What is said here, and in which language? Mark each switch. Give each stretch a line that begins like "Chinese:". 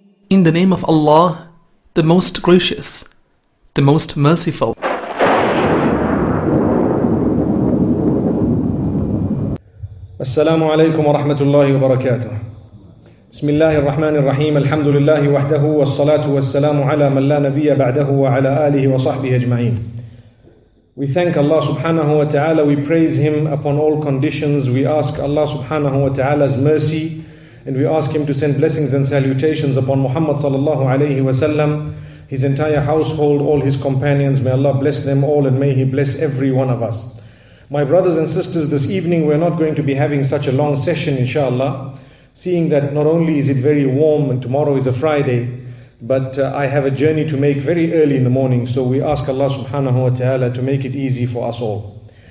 English: In the name of Allah, the most gracious, the most merciful.
Arabic: السلام عليكم ورحمة الله وبركاته. بسم الله الرحمن الرحيم. الحمد لله وحده، والصلاة والسلام على من لا نبي بعده وعلى آله وصحبه أجمعين.
English: We thank Allah subhanahu wa ta'ala, we praise Him upon all conditions, we ask Allah subhanahu wa ta'ala's mercy, and we ask Him to send blessings and salutations upon Muhammad sallallahu alayhi wa sallam, his entire household, all his companions. May Allah bless them all, and may He bless every one of us. My brothers and sisters, this evening we're not going to be having such a long session inshallah, seeing that not only is it very warm and tomorrow is a Friday, but I have a journey to make very early in the morning, so we ask Allah subhanahu wa ta'ala to make it easy for us all.